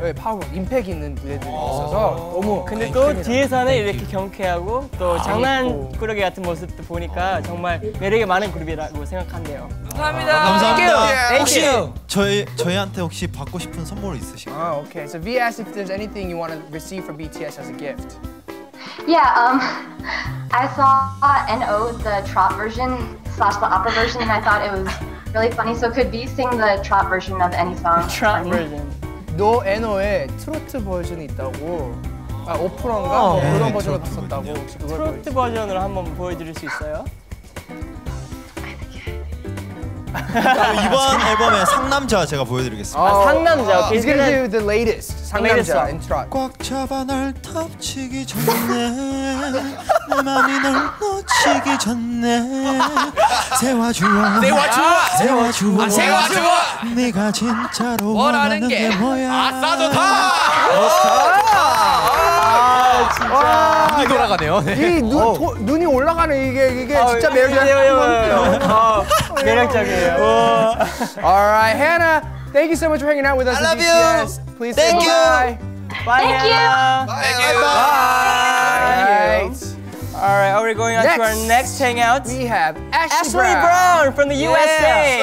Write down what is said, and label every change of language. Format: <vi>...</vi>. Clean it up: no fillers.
<ko>그, 네, 파워풀, 임팩 있는 무대들이 있어서 너무 근데 또 뒤에서는 이렇게 경쾌하고 또 장난꾸러기 같은 모습도 보니까 정말 매력이 많은 그룹이라고 생각한대요. 감사합니다. 감사합니다. 혹시 저희한테 혹시 받고 싶은 선물 있으신가요? 오케이.</ko> <en>So V asked if there's anything you want to receive from BTS as a gift. Yeah, I saw NO, the trot version / the opera version, and I thought it was really funny. So could V sing the trot version of any song? The trot version.</en> <ko>No, NO의 트로트 버전이 있다고. 아, 오프라인가? 그런 버전을 봤었다고. 트로트 버전을 한번 보여드릴 수 있어요? 이번 앨범의 상남자 제가 보여드리겠습니다. 아, 상남자.</ko> <en>Okay. He's gonna do the latest 상남자 in trot.</en> <ko>꽉 잡아 날 덮치기 전에 내 맘이 널 놓치기 전에 세워주어 세워주어 세워주어 세워주어 네가 진짜로 원하는 게 뭐야 아싸 좋다. 진짜 눈이 돌아가네요. 이 눈이 올라가네. 이게 진짜 매력적이에요. 매력적이에요.</ko> <en>All right, Hannah, thank you so much for hanging out with us. I love you. Please say bye. Thank you. Bye. All right, are we going on to our next hangout? We have Ashley Brown from the USA.</en>